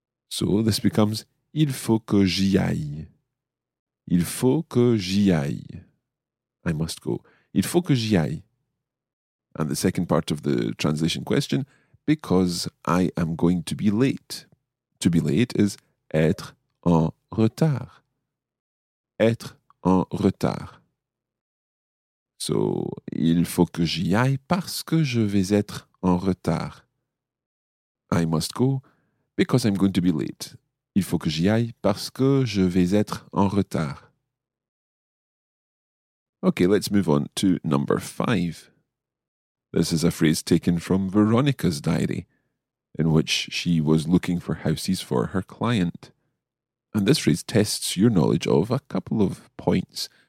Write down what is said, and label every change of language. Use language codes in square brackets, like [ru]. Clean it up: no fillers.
[en] So this becomes [fr] il faut que j'y aille. Il faut que j'y aille. [en] I must go. [fr] Il faut que j'y aille. [en] And the second part of the translation question, because I am going to be late. To be late is [fr] être en retard. Être en retard. So, il faut que j'y aille parce que je vais être en retard. [en] I must go because I'm going to be late. [fr] Il faut que j'y aille parce que je vais être en retard. [en] Okay, let's move on to number 5. This is a phrase taken from Veronica's diary, in which she was looking for houses for her client. And this phrase tests your knowledge of a couple of points.